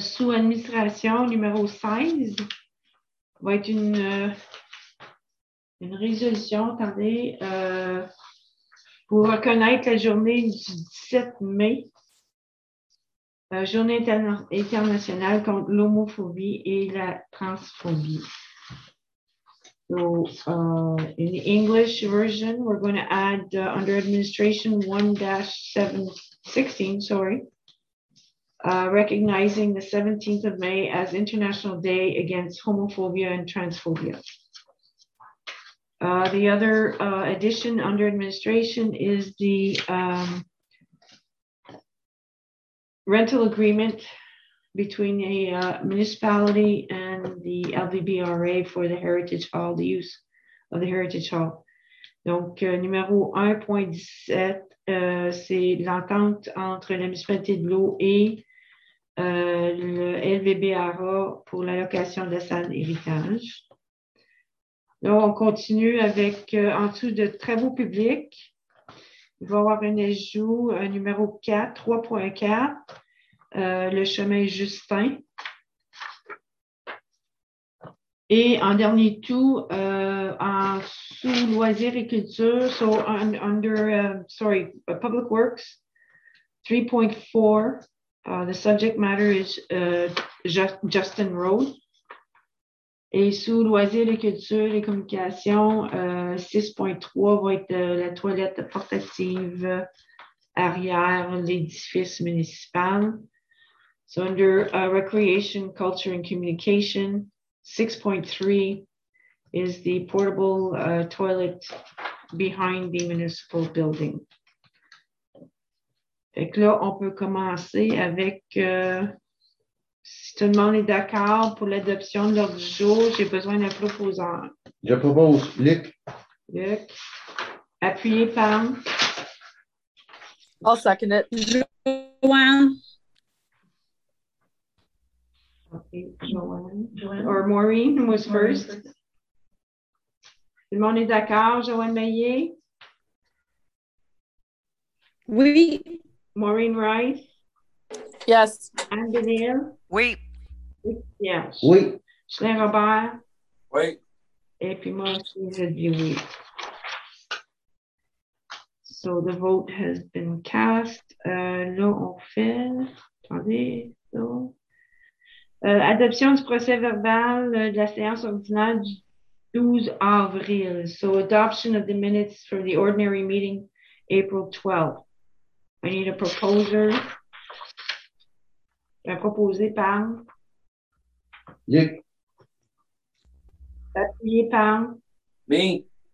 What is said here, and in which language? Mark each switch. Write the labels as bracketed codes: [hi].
[fr] Sous administration numéro 16. Va être une résolution, attendez, pour reconnaître la journée du 17 mai, journée internationale contre l'homophobie et la transphobie. [en] So, in the English version, we're going to add under administration 1-16, recognizing the 17th of May as International Day Against Homophobia and Transphobia. The other addition under administration is the rental agreement between a municipality and the LVBRA for the Heritage Hall, the use of the Heritage Hall. [fr] Donc, numéro 1.17, c'est l'entente entre la municipalité de l'eau et le LVBRA pour l'allocation de la salle d'héritage. Là, on continue avec en dessous de travaux publics. Il va y avoir un ajout numéro 3.4, le chemin Justin. Et en dernier tout, en sous loisirs et culture, [en] Public Works [fr] 3.4. [en] The subject matter is Justin Road. [fr] Et sous loisirs, les cultures, les communications, 6.3 va être la toilette portative arrière l'édifice municipal. [en] So under Recreation, Culture and Communication, 6.3 is the portable toilet behind the municipal building. [fr] Fait que là, on peut commencer avec, si tout le monde est d'accord pour l'adoption de l'ordre du jour, j'ai besoin d'un proposeur. Je propose Luc. Luc. Appuyé par. [en] I'll second it. Joanne. OK, Joanne. Or Maureen was first. [fr] Tout le monde est d'accord, Joanne Maillet? Oui. Maureen Wright? [en] Yes. Anne Benil? [fr] Oui. [en] Yes. [fr] Oui. Chelin Robert? Oui. Et puis moi aussi, je dis oui. [en] So the vote has been cast. [fr] Là, on fait. Attendez. Adoption du procès verbal de la séance ordinaire du 12 avril. [en] So adoption of the minutes for the ordinary meeting April 12th. I need a proposer. [fr] Un proposé par. Luc. Appuyé par. [en] Me.